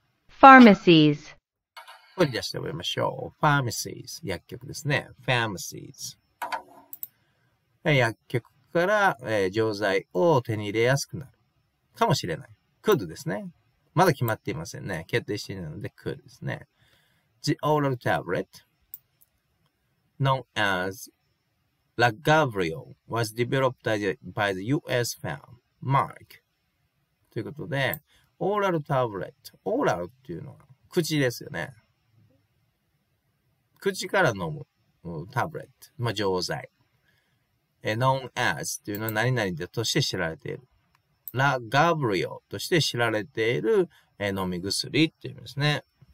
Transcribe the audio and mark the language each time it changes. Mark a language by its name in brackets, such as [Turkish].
[English] Pharmacies。 [Japanese] これ出して覚えましょう。 Pharmacies。 薬局ですね。Pharmacies。薬局から、錠剤を手に入れやすくなる。かもしれない。Could ですね。まだ決まっていませんね。決定していないので Could ですね。 [English] The oral tablet, known as Lagevrio, was developed by the US firm Merck. [Japanese] ということで、オーラルタブレット。オーラルっていうのは口ですよね。口から飲むタブレット。まあ、錠剤。 [English] known as [Japanese] っていうのは何々として知られている。ラ・ガブリオとして知られている飲み薬っていう意味ですね。